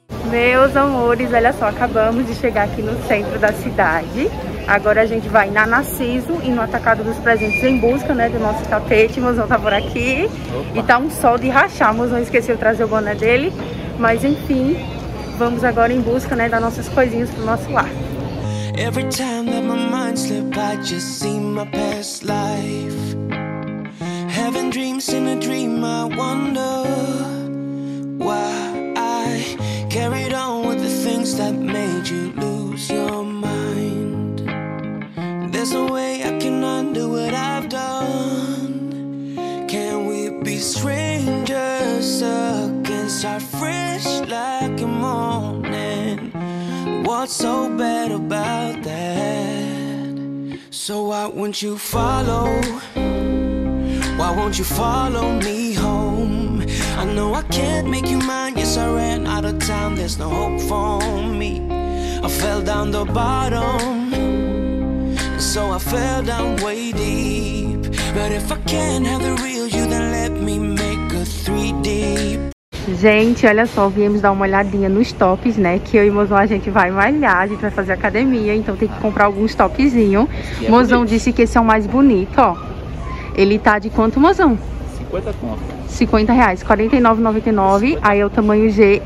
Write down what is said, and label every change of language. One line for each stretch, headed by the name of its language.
Portuguese: Meus amores, olha só, acabamos de chegar aqui no centro da cidade. Agora a gente vai na Narciso e no Atacado dos Presentes em busca, né, do nosso tapete. Mozão tá por aqui. Opa. E tá um sol de rachar. Mozão esqueceu de trazer o boné dele. Mas enfim, vamos agora em busca, né, das nossas coisinhas pro nosso lar.
English: Every time that my mind slipped, I just see my past life. Having dreams in a dream, I wonder why. Carried on with the things that made you lose your mind. There's no way I can undo what I've done. Can we be strangers again? Start fresh like a morning. What's so bad about that? So why won't you follow? Why won't you follow me home? I know I can't make you mine. Yes, I ran out of time. There's no hope for me. I fell down the bottom, so I fell down way deep. But if I can't have the real you, then let me make a 3D.
Portuguese: Gente, olha só, viemos dar uma olhadinha nos tops, né? Que eu e Mozão, a gente vai malhar, a gente vai fazer academia. Então tem que comprar alguns topzinhos. É Mozão bonito. Disse que esse é o mais bonito, ó. Ele tá de quanto, Mozão? 50 reais, R$49,99. Aí é o tamanho G.